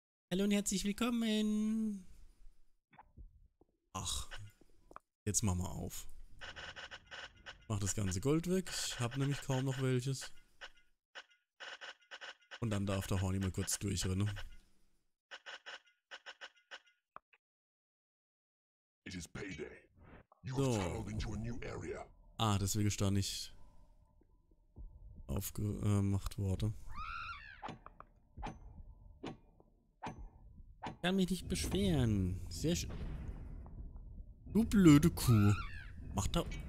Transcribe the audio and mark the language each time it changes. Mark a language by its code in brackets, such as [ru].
[de] Hallo und herzlich willkommen! Ach, jetzt mach mal auf. Mach das ganze Gold weg. Ich hab nämlich kaum noch welches. Und dann darf der Horny mal kurz durchrennen. [en] It is payday. You have traveled into a new area. [de] Ah, deswegen ist da nicht aufgemacht worden. Ich kann mich nicht beschweren. Sehr schön. Du blöde Kuh. Mach da.